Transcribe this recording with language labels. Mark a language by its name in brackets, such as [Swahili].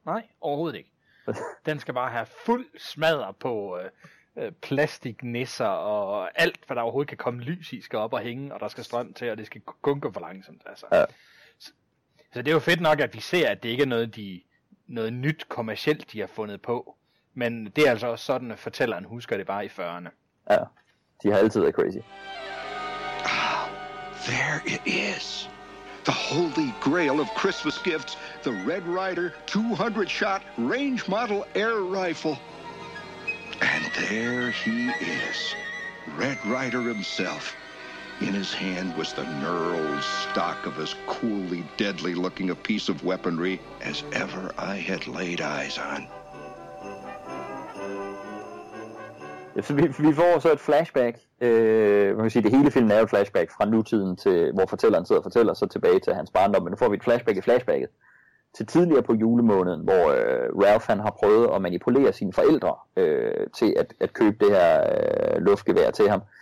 [Danish] Nej, overhovedet ikke. Den skal bare have fuld smadder på plastiknisser og alt, hvad der overhovedet kan komme lys i, skal op og hænge, og der skal strøm til, og det skal kun gå for langsomt. Altså. Ja. Så det er jo fedt nok, at vi ser, at det ikke er noget nyt kommercielt, de har fundet på. Men det er altså også sådan, at fortælleren husker det bare i 40'erne. Ja, de har altid været crazy. [English] There it is. The holy grail of Christmas gifts. The Red Ryder 200-shot range model air rifle. And there he is. Red Ryder himself. In his hand was the knurled stock of as coolly deadly-looking a piece of weaponry as ever I had laid eyes on. [Danish] Vi får så et flashback. Man kan sige, det hele filmen er et flashback fra nutiden til, hvor fortælleren sidder og fortæller, så tilbage til hans barndom. Men nu får vi et flashback i flashbacket til tidligere på julemåneden, hvor Ralph han har prøvet at manipulere sine forældre til at købe det her luftgevær til ham.